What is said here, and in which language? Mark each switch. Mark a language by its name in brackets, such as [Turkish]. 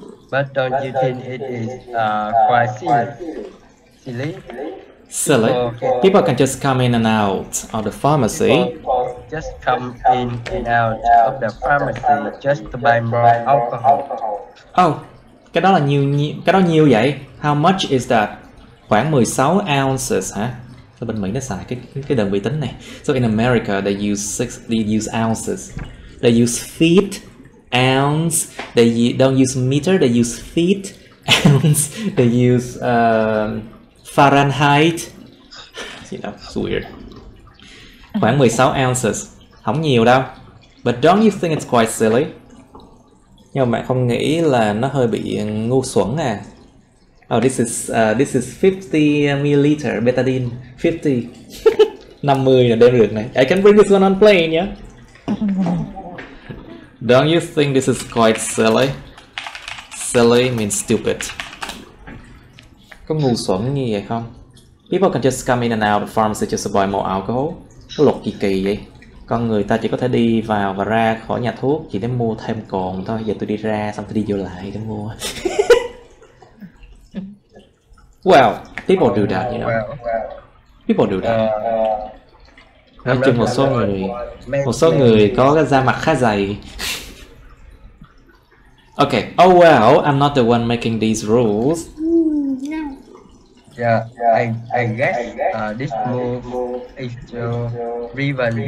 [English] But don't you think it is quite silly? Silly. People can just come in and out of the pharmacy. Just come in and out of the pharmacy just to buy more alcohol. [Vietnamese] Oh, cái đó là nhiều, cái đó nhiều vậy? [English] How much is that? [Vietnamese] Khoảng 16 ounces hả? Ở bên Mỹ nó xài cái đơn vị tính này. [English] So in America they use ounces. They use feet, ounce. They don't use meter, they use feet, ounce. They use Fahrenheit. You know, it's weird. Khoảng 16 ounces. Không nhiều đâu. But don't you think it's quite silly? [Vietnamese] Nhưng mà không nghĩ là nó hơi bị ngu xuẩn à? [English] Oh, this is 50ml betadine, 50. [Vietnamese] 50 là đem được này. [English] I can bring this one on plane, yeah? Don't you think this is quite silly? Silly means stupid. [Vietnamese] Có ngu xuẩn như vậy không? [English] People can just come in and out of pharmacy just to buy more alcohol. [Vietnamese] Có luật gì kỳ vậy? Con người ta chỉ có thể đi vào và ra khỏi nhà thuốc chỉ để mua thêm cồn thôi. Giờ tôi đi ra xong tôi đi vô lại để mua. [English] Well, people do that, you know. People do that. [Vietnamese] Nói chung một số người có cái da mặt khá dày. [English] Okay. Oh well, I'm not the one making these rules. Yeah, I guess this move is to prevent.